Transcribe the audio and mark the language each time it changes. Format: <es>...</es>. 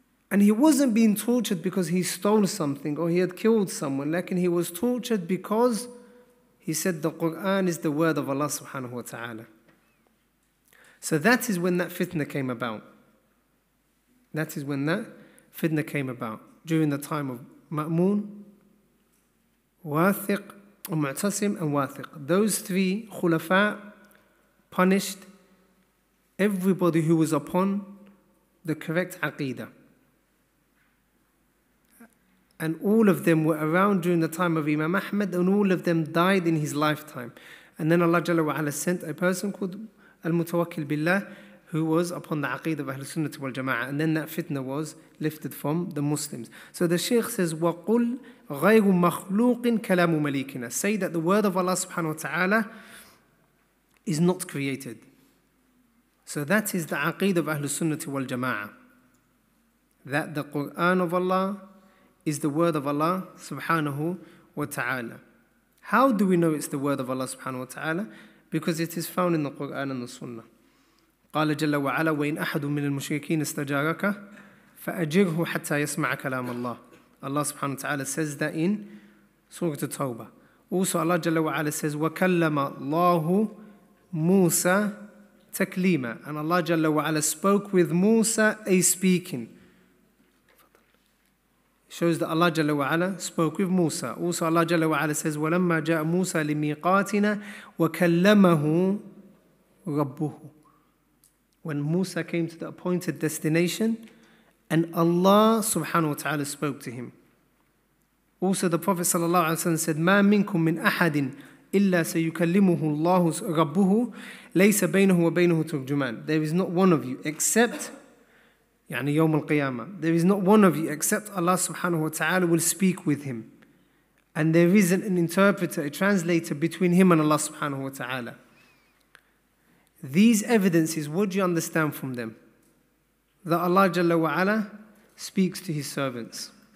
<en>And he wasn't being tortured because he stole something or he had killed someone, lakin he was tortured because he said the Quran is the word of Allah subhanahu wa ta'ala. So that is when that fitna came about. That is when that fitna came about, during the time of Ma'mun</en> <ar>واثق ومعتصم and واثق.</ar> <en>Those three khulafa punished everybody who was upon the correct aqeedah. And all of them were around during the time of Imam Ahmad, and all of them died in his lifetime. And then Allah Jalla wa Ala sent a person called Al-Mutawakkil Billah, who was upon the aqeedah of Ahl Sunnah wal Jama'ah. And then that fitna was lifted from the Muslims. So the Shaykh says,</en> <ar>وَقُلْ غَيْرُ مَخْلُوقٍ كَلَامُ مَلِيكِنَا.</ar> <en>Say that the word of Allah subhanahu wa ta'ala is not created. So that is the aqeedah of Ahl Sunnah wal Jama'ah, that the Quran of Allah is the word of Allah subhanahu wa ta'ala. How do we know it's the word of Allah subhanahu wa ta'ala? Because it is found in the Quran and the Sunnah.</en> <ar>قَالَ جَلَّ وَعَلَى وَإِنْ أَحَدٌ مِّنَ الْمُشْرِكِينَ اسْتَجَارَكَ فَأَجِرْهُ حَتَّى يَسْمَعَ كَلَامَ اللَّهِ.</ar> <en>Allah subhanahu wa ta'ala says that in Surah At-Tawbah. Also Allah Jalla wa Ala says,</en> <ar>وَكَلَّمَ اللَّهُ مُوسَى تَكْلِيمًا.</ar> <en>And Allah Jalla wa Ala spoke with Musa a speaking. Shows that Allah Jalla wa Ala spoke with Musa. Also Allah Jalla wa Ala says,</en> <ar>وَلَمَّا جَاءَ مُوسَى لِمِيقَاتِنَا وَكَلَّمَهُ رَبُّهُ.</ar> <en>When Musa came to the appointed destination, and Allah subhanahu wa ta'ala spoke to him. Also the Prophet sallallahu alayhi wa sallam said,</en> <ar>مَا مِنْكُمْ مِنْ أَحَدٍ إِلَّا سَيُكَلِّمُهُ اللَّهُ رَبُّهُ لَيْسَ بَيْنَهُ وَبَيْنَهُ تُرْجُمَانٍ.</ar> <en>There is not one of you except,</en> <ar>يعني يوم القيامة,</ar> <en>there is not one of you except Allah subhanahu wa ta'ala will speak with him. And there isn't an interpreter, a translator between him and Allah subhanahu wa ta'ala. These evidences, what do you understand from them? That Allah Jalla wa Ala speaks to His servants.</en>